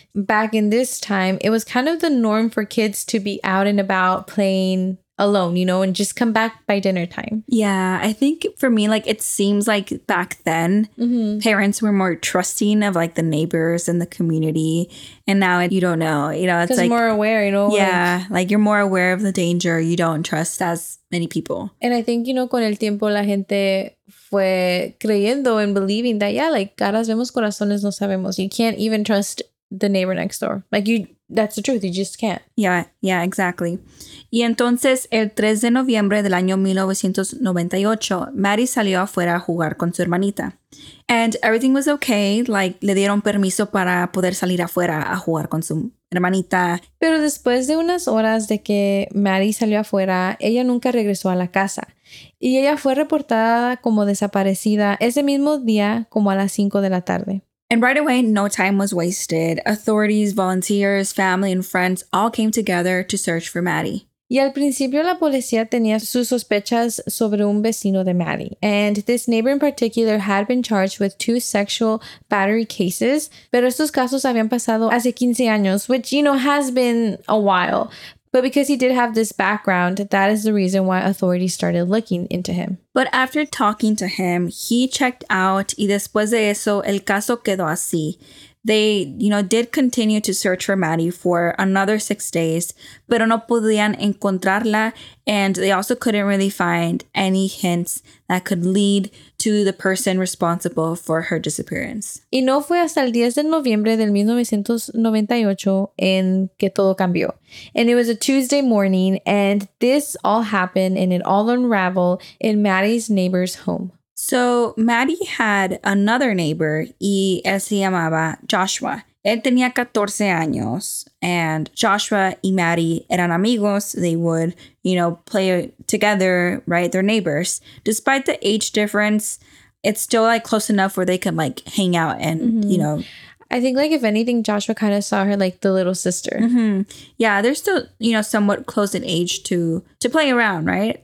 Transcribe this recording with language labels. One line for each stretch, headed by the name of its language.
English: Back in this time, it was kind of the norm for kids to be out and about playing alone, you know, and just come back by dinner time. Yeah, I think for me, like, it seems like back then, mm-hmm. parents were more trusting of like the neighbors and the community. And now you don't know, you know, it's like more aware, you know. Yeah, like you're more aware of the danger. You don't trust as many people. And I think, you know,
Spanish: con el tiempo la gente fue creyendo
English: and believing that, yeah, like
Spanish: caras vemos, corazones no sabemos.
English: You can't even trust the neighbor next door. Like, you, that's the truth. You just can't. Yeah, yeah, exactly.
Spanish: Y entonces, el 3 de noviembre del año 1998, Maddie salió afuera a jugar con su hermanita.
English: And everything was okay.
Spanish: Like, le dieron permiso para poder salir afuera a jugar con su hermanita. Pero después de unas horas de que Maddie salió afuera, ella nunca regresó a la casa. Y ella fue reportada como desaparecida ese mismo día, como a las 5 de la tarde.
English: And right away, no time was wasted. Authorities, volunteers, family, and friends all came together to search for Maddie.
Spanish: Y al principio, la policía tenía sus sospechas sobre un vecino de Maddie.
English: And this neighbor in particular had been charged with 2 sexual battery cases.
Spanish: Pero estos casos habían pasado hace 15 años,
English: which, you know, has been a while. But because he did have this background, that is the reason why authorities started looking into him. But after talking to him, he checked out.
Spanish: Y después de eso, el caso quedó así.
English: They, you know, did continue to search for Maddie for another 6 days,
Spanish: pero no podían encontrarla.
English: And they also couldn't really find any hints that could lead to the person responsible for her disappearance.
Spanish: Y no fue hasta el 10 de noviembre del 1998 en que todo cambió.
English: And it was a Tuesday morning, and this all happened and it all unraveled in Maddie's neighbor's home. So Maddie had another neighbor,
Spanish: y él se llamaba Joshua. Él tenía 14 años, and Joshua y Maddie eran amigos.
English: They would, you know, play together, right? They're neighbors. Despite the age difference, it's still, like, close enough where they could, like, hang out and, mm-hmm. you know. I think, like, if anything, Joshua kind of saw her like the little sister. Mm-hmm. Yeah, they're still, you know, somewhat close in age to play around, right?